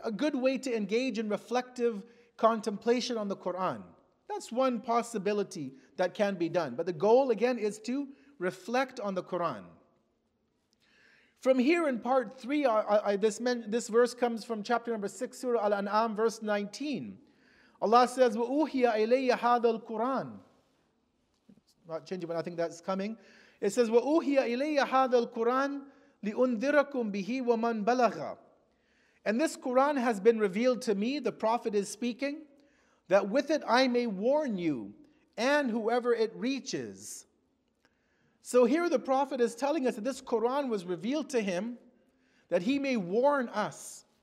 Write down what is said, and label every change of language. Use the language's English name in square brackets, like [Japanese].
[English] A good way to engage in reflective contemplation on the Quran. That's one possibility that can be done. But the goal, again, is to reflect on the Quran. From here in part 3, this verse comes from chapter number 6, Surah Al-An'am, verse 19. Allah says, [Arabic] وَأُوْحِيَ إِلَيَّ هَذَا الْقُرْآنِ. [English] Not changing, but I think that's coming. It says, [Arabic] وَأُوْحِيَ إِلَيَّ هَذَا الْقُرْآنِ لِأُنذِرَكُمْ بِهِ وَمَنْ بَلَغَ. [English] And this Quran has been revealed to me, the Prophet is speaking, that with it I may warn you and whoever it reaches. So here the Prophet is telling us that this Quran was revealed to him that he may warn us.